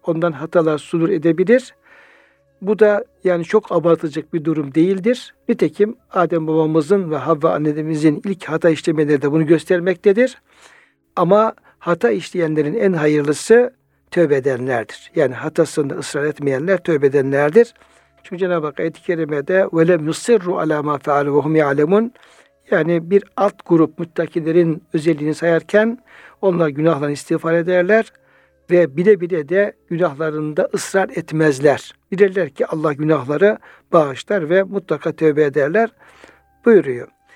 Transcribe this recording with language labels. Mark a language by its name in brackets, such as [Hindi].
[Turkish] Ondan hatalar sudur edebilir. Bu da yani çok abartılacak bir durum değildir. Nitekim Adem babamızın ve Havva annemizin ilk hata işlemeleri de bunu göstermektedir. Ama hata işleyenlerin en hayırlısı tövbe edenlerdir. Yani hatasında ısrar etmeyenler tövbe edenlerdir. Çünkü Cenab-ı Hak ayet-i kerimede [Arabic] وَلَمْ يُصِرُّ عَلَى مَا فَعَلُوا وَهُمْ يَعْلَمُونَ. [Turkish] Yani bir alt grup müttakilerin özelliğini sayarken onlar günahlarını istiğfar ederler ve bile bile de günahlarında ısrar etmezler. Bilirler ki Allah günahları bağışlar ve mutlaka tövbe ederler buyuruyor.